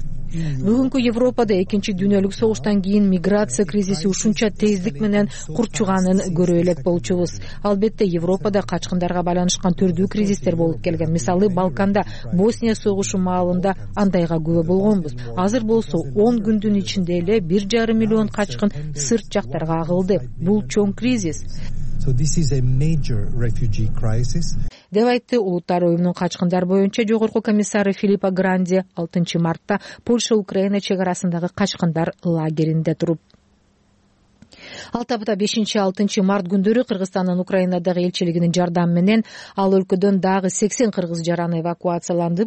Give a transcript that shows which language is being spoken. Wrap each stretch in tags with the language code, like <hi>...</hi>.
<ky>Бүгүнкү Европада экинчи дүйнөлүк согуштан кийин миграция кризиси ушунча тездик менен курчуганын көрө элек болчубуз. Албетте, Европада качкындарга байланышкан түрдүү кризистер болуп келген. Мисалы, Балканда Босния согушу маалында андайга күбө болгонбуз. Азыр болсо 10 күндүн ичинде эле 1,5 миллион качкын сырт жактарга агылды. Бул чоң кризис.</ky> <en>So this is a major refugee crisis.</en> <ky>Деп айтты Улуттар уюмунун качкындар боюнча жогорку комиссары Филиппа Гранди 6 мартта Польша-Украина чек арасындагы качкындар лагеринде туруп. Алты апта 5-6 март күндөрү Кыргызстандын Украинадагы элчилигинин жардамы менен ал өлкөдөн дагы 80 кыргыз жараны эвакуацияланды.</ky>